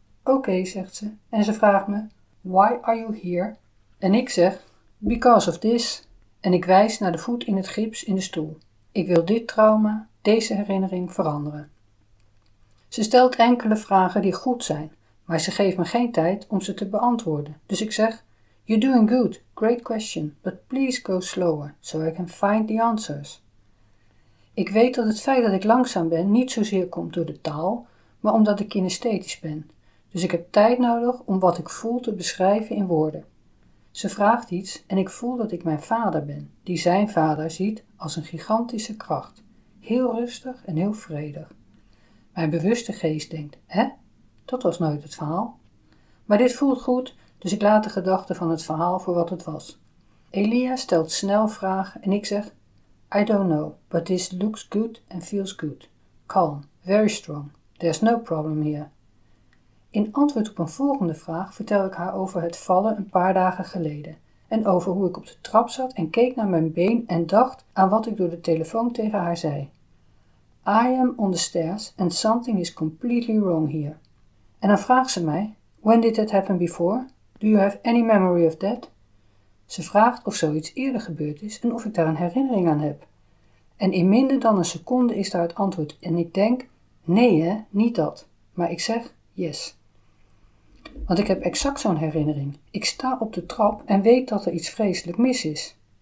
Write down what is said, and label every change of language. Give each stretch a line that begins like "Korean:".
Dutch: Oké, zegt ze, en ze vraagt me,
English: why are you here?
Dutch: En ik zeg,
English: because of this.
Dutch: En ik wijs naar de voet in het gips in de stoel. Ik wil dit trauma deze herinnering veranderen. Ze stelt enkele vragen die goed zijn, maar ze geeft me geen tijd om ze te beantwoorden. Dus ik zeg,
English: you're doing good, great question, but please go slower, so I can find the answers.
Dutch: Ik weet dat het feit dat ik langzaam ben niet zozeer komt door de taal, maar omdat ik kinesthetisch ben. Dus ik heb tijd nodig om wat ik voel te beschrijven in woorden. Ze vraagt iets en ik voel dat ik mijn vader ben, die zijn vader ziet als een gigantische kracht. Heel rustig en heel vredig. Mijn bewuste geest denkt, hè? Dat was nooit het verhaal. Maar dit voelt goed, dus ik laat de gedachte van het verhaal voor wat het was. Elia stelt snel vragen en ik zeg,
English: I don't know, but this looks good and feels good. Calm, very strong. There's no problem here.
Dutch: In antwoord op een volgende vraag vertel ik haar over het vallen een paar dagen geleden en over hoe ik op de trap zat en keek naar mijn been en dacht aan wat ik door de telefoon tegen haar zei.
English: I am on the stairs and something is completely wrong here.
Dutch: En dan vraagt ze mij,
English: when did that happen before? Do you have any memory of that?
Dutch: Ze vraagt of zoiets eerder gebeurd is en of ik daar een herinnering aan heb. En in minder dan een seconde is daar het antwoord en ik denk, nee hè, niet dat. Maar ik zeg, yes. Want ik heb exact zo'n herinnering. Ik sta op de trap en weet dat er iets vreselijk mis is.